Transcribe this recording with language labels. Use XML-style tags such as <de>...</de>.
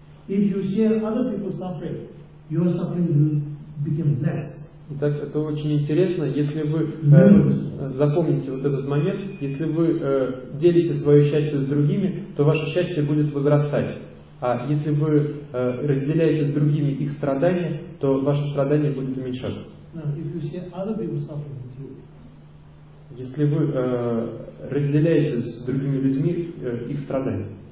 <en>If you share other people's suffering, your suffering will become less.</en> <ru>Итак, это очень интересно. Если вы запомните вот этот момент, если вы делите свое счастье с другими, то ваше счастье будет возрастать. А если вы разделяете с другими их страдания, то ваше страдание будет уменьшаться.</ru> <en>If you share other people's suffering with you.</en> <ru>Если вы разделяете с другими людьми их страдания.</ru>